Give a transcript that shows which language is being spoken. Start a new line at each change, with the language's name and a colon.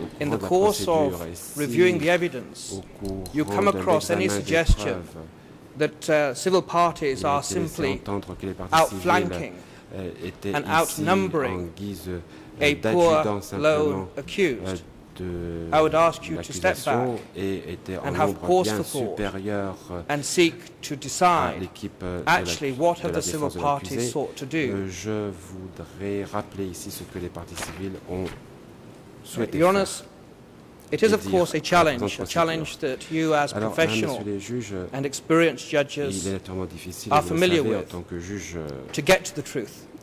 English: in the course of reviewing the evidence, you come across any suggestion that civil parties are simply outflanking and outnumbering a poor, low accused, I would ask you to step back and have pause for thought and seek to decide actually what have the civil parties sought to do.
French: Je voudrais rappeler ici ce que les parties civiles ont souhaité.
English: Your Honour, it is of course a challenge that you as professional and experienced judges are familiar with to get to the truth.